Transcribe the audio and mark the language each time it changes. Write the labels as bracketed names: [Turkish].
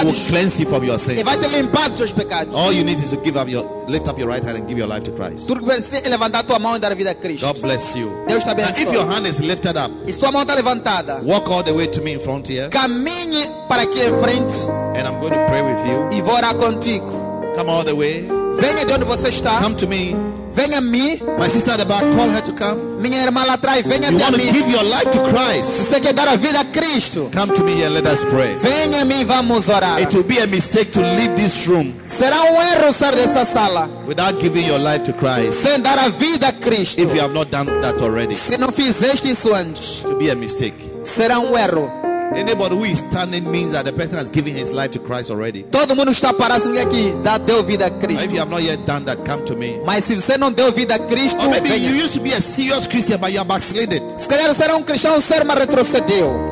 [English] And he will cleanse you from your sins. [Portuguese] Ele vai te limpar dos pecados. [English] All you need is to give up your, lift up your right hand and give your life to Christ. [Portuguese] Tudo que precisa é levantar tua mão e dar a vida a Cristo. [English] God bless you. [Portuguese] Deus te abençoe. [English] Now, if your hand is lifted up, [Portuguese] e se tua mão está levantada, [English] walk all the way to me in front here. [Portuguese] Caminhe para aqui em frente. [English] And I'm going to pray with you. [Portuguese] E vou orar contigo. [English] Come all the way. [Portuguese] Venha de onde você está. [English] Come to me. [Portuguese] Venha a mim. [English] My sister at the back, call her to come. [Portuguese] Minha irmã lá atrás, venha [English] you [Portuguese] até [English] want [Portuguese] a [English] to [Portuguese] mim. [English] Give your life to Christ. [Portuguese] Você quer dar a vida a Cristo? [English] Come to me and let us pray. [Portuguese] Venha a mim, vamos orar. [English] It will be a mistake to leave this room. [Portuguese] Será erro sair dessa sala. [English] Without giving your life to Christ. [Portuguese] Sem dar a vida a Cristo. [English] If you have not done that already. [Portuguese] Se não fizeste isso antes. [English] To be a mistake. [Portuguese] Será erro. [English] Anybody who is standing means that the person has given his life to Christ already. [Portuguese] Todo mundo está parado, ninguém aqui dá deu vida a Cristo. [English] If you have not yet done that, come to me. [Portuguese] Mas se você não deu vida a Cristo, [English] or maybe [Portuguese] venha. [English] You used to be a serious Christian, but you are backslidden. [Portuguese] Se calhar você era cristão sério, mas retrocedeu.